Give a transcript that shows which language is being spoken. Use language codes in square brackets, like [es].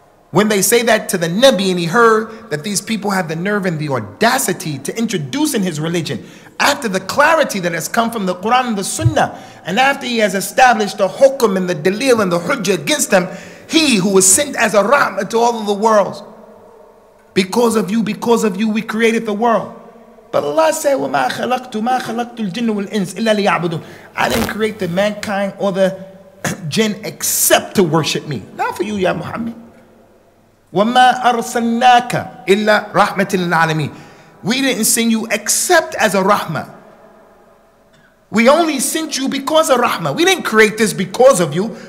[en] When they say that to the Nabi and he heard that these people had the nerve and the audacity to introduce in his religion, after the clarity that has come from the Quran and the Sunnah, and after he has established the hukum and the dalil and the hujjah against them, he who was sent as a rahmah to all of the worlds, because of you, we created the world. But Allah said, [ar] وَمَا خَلَقْتُ مَا خَلَقْتُ الْجِنُّ وَالْإِنسِ إِلَّا لِيَعْبُدُونَ. [en] I didn't create the mankind or the jinn except to worship me. Not for you, Ya Muhammad. [ar] وَمَا أَرْسَلْنَاكَ إِلَّا رَحْمَةٍ لِلْعَالَمِينَ. [en] We didn't send you except as a rahmah. We only sent you because of rahmah. We didn't create this because of you.